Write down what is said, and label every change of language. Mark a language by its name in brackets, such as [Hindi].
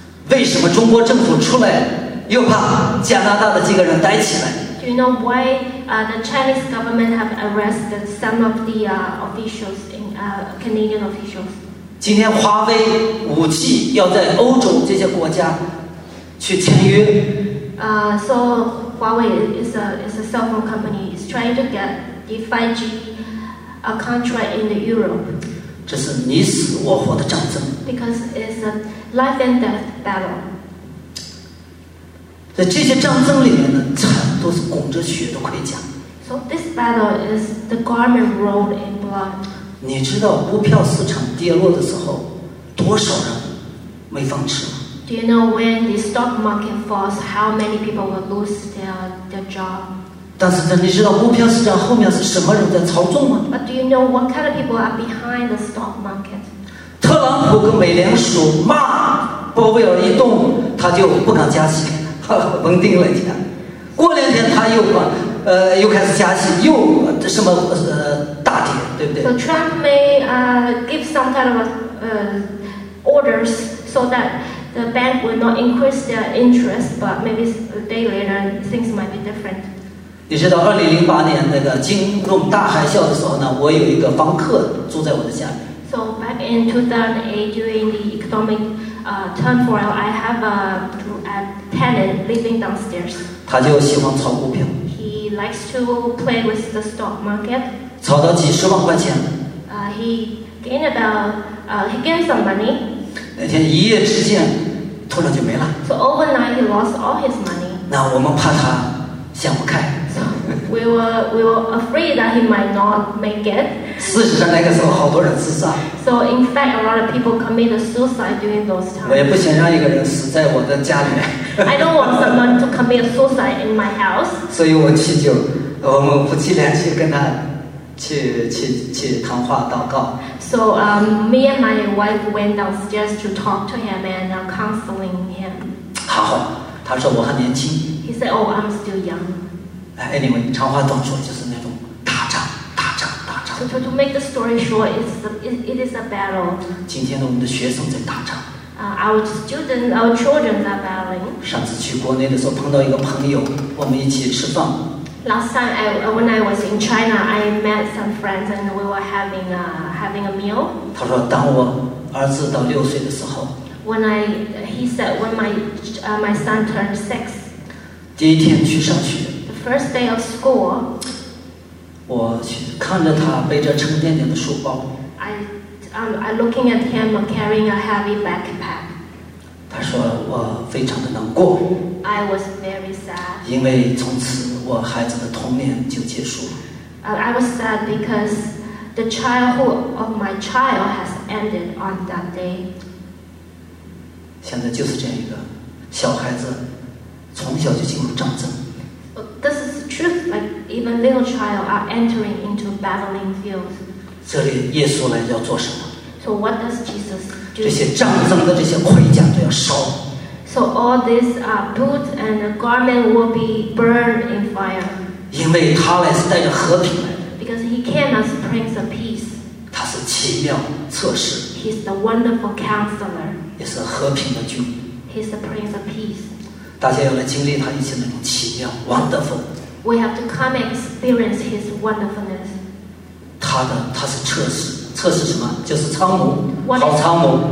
[Chinese] 为什么中国政府出来又怕加拿大的几个人逮起来？ [English] Do you know why the Chinese government have arrested some of the officials in Canadian officials? [Chinese] 今天华为五 G 要在欧洲这些国家去签约。 [English] So Huawei is a cell phone company. It's trying to get the 5G a contract in the Europe. [Chinese] 这是你死我活的战争。 [English] Because it's a life and death battle. [Chinese] 在这些战争里面呢，惨都是拱着血的盔甲。 [English] So this battle is the garment rolled in blood. [Chinese] 你知道股票市场跌落的时候，多少人没饭吃吗 [English] ？Do you know when the stock market falls, how many people will lose their job? [Chinese] 但是你知道股票市场后面是什么人在操纵吗 [English] ？But do you know what kind of people are behind the stock market? [Chinese] 特朗普跟美联储骂，鲍威尔一动，他就不敢加息，稳定了一下。过两天他又开始加息，又什么大跌。对对 [English] so Trump may give some kind of orders so that the bank will not increase their interest, but maybe a day later things might be different. [Chinese] 你知道2008年那个金融大海啸的时候呢，我有一个房客住在我的家里。 [English] So back in 2008 during the economic turmoil, I have a tenant living downstairs. [Chinese] 他就喜欢炒股票。 [English] He likes to play with the stock market. [Chinese] 炒到几十万块钱。 [English] He gained about, he gained some money. [Chinese] 那天一夜之间，突然就没了。 [English] So overnight he lost all his money. [Chinese] 那我们怕他想不开。 [English] We were afraid that he might not make it. [Chinese] 事实上，那个时候好多人自杀。 [English] So in fact, a lot of people committed suicide during those times. [Chinese] 我也不想让一个人死在我的家里面。 [English] I don't want someone to commit suicide in my house. [Chinese] 所以我祈求，我们夫妻俩去跟他去谈话祷告。 [English] So, me and my wife went downstairs to talk to him and counseling him. [Chinese] 还好，他说我还年轻。 [English] He said, "Oh, I'm still young." [Chinese] Anyway, 长话短说就是那种打仗打仗打仗 [English] So to make the story short, it is a battle. [Chinese] 今天的我们的学生在打仗、 [English] our children are battling. [Chinese] 上次去国内的时候碰到一个朋友我们一起吃饭 [English] Last time, when I was in China, I met some friends and we were having a meal. [Chinese] 他说当我儿子到六岁的时候 [English] When my son turned six. [Chinese] 第一天去上学 [English] First day of school, [Chinese] 我看着他背着沉甸甸的书包。 [English] I looking at him carrying a heavy backpack. [Chinese] 他说我非常的难过。 [English] I was very sad. [Chinese] 因为从此我孩子的童年就结束了。 [English] I was sad because the childhood of my child has ended on that day. [Chinese] 现在就是这样一个小孩子，从小就进入战争。 [English] This is the truth. Like even little child are entering into battling fields. [Chinese] 这里耶稣来要做什么 [English] ？So what does Jesus do? [Chinese] 这些战争的这些盔甲都要烧。 [English] So all these boots and garments will be burned in fire. [Chinese] 因为他来是带着和平来。 [English] Because he came as Prince of Peace. [Chinese] 他是奇妙测试。 [English] He's the wonderful counselor. [Chinese] 也是和平的君。 [English] He's the Prince of Peace. [Chinese] 大家要来经历他一切那种奇妙 wonderful [English] we have to come and experience his wonderfulness [Chinese] 他是测试测试什么就是参谋好参谋